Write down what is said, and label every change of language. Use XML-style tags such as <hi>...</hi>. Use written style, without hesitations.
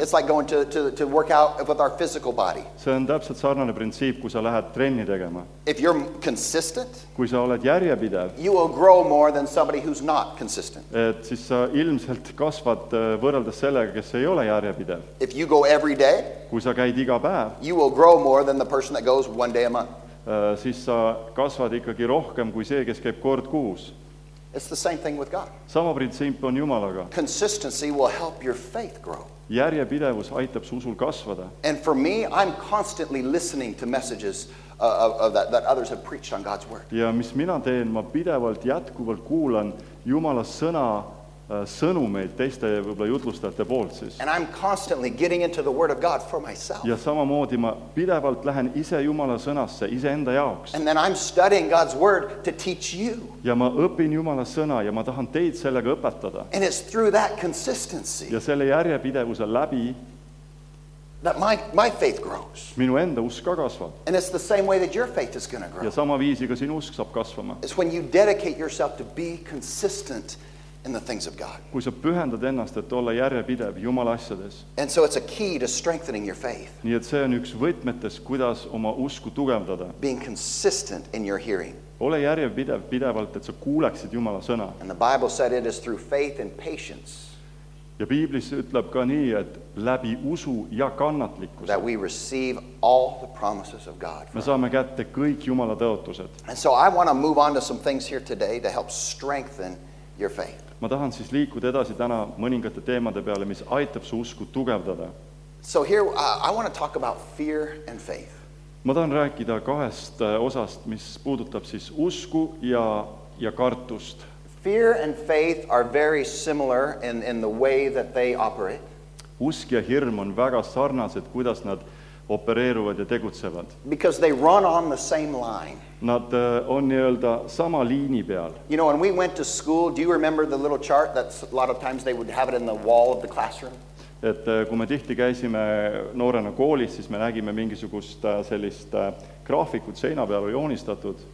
<en>It's like going to work out with our physical body.</en> <et>See on täpselt sarnane printsiip, kui sa lähed trenni tegema.</et> <en>If you're consistent,</en> <et>kui sa oled järjepidev,</et> <en>you will grow more than somebody who's not consistent.</en> <et>Et siis sa ilmselt kasvad võrreldes sellega, kes ei ole järjepidev.</et> <en>If you go every day,</en> <et>kui sa käid iga päev,</et> <en>you will grow more than the person that goes one day a month.</en> <et>Siis sa kasvad ikkagi rohkem kui see, kes käib kord kuus.</et> <en>It's the same thing with God.</en> <et>Sama printsiip on Jumalaga.</et> <en>Consistency will help your faith grow.</en> <et>Järjepidevus aitab usul kasvada.</et> <en>And for me, I'm constantly listening to messages of that others have preached on God's word.</en> <et>Ja mis mina teen, ma pidevalt jätkuvalt kuulan Jumala sõna sõnumeid teiste võib-olla jutlustajate poolt siis.</et> <en>And I'm constantly getting into the word of God for myself.</en> <et>Ja samamoodi ma pidevalt lähen ise Jumala sõnasse, ise enda jaoks.</et> <en>And then I'm studying God's word to teach you.</en> <et>Ja ma õpin Jumala sõna ja ma tahan teid sellega õpetada.</et> <en>And it's through that consistency.</en> <et>Ja selle järjepidevuse läbi</et> <en>that my faith grows.</en> <et>Minu enda usk ka kasvab.</et> <en>And it's the same way that your faith is going to grow.</en> <et>Ja sama viisi ka sinu usk saab kasvama.</et> <en>It's when you dedicate yourself to be consistent in the things of God.</en> <et>Kui sa pühendad ennast, et olla järjepidev Jumala asjades.</et> <en>And so it's a key to strengthening your faith.</en> <et>Nii et see on üks võtmetes, kuidas oma usku tugevdada.</et> <en>Being consistent in your hearing.</en> <et>Ole järjepidev pidevalt, et sa kuuleksid Jumala sõna.</et> <en>And the Bible said it is through faith and patience.</en> <et>Ja Biiblis ütleb ka nii, et läbi usu ja kannatlikkuse.</et> <en>That we receive all the promises of God.</en> <et>Me saame kätte kõik Jumala tõotused.</et> <en>And so I want to move on to some things here today to help strengthen your faith.</en> <et>Ma tahan siis liikuda edasi täna mõningate teemade peale, mis aitab su usku tugevdada.</et> <en>So here I want to talk about fear and faith.</en> <et>Ma tahan rääkida kahest osast, mis puudutab siis usku ja kartust.</et> <en>Fear and faith are very similar in the way that they operate.</en> <et>Usk ja hirm on väga sarnased, kuidas nad opereeruvad ja tegutsevad.</et> <en>Because they run on the same line.</en> <et>Nad on nii-öelda sama liini peal.</et> <en>You know, when we went to school, do you remember the little chart that a lot of times they would have it in the wall of the classroom?</en> <et>Et kui me tihti käisime noorena koolis, siis me nägime mingisugust sellist graafikut seina peal joonistatud.</et>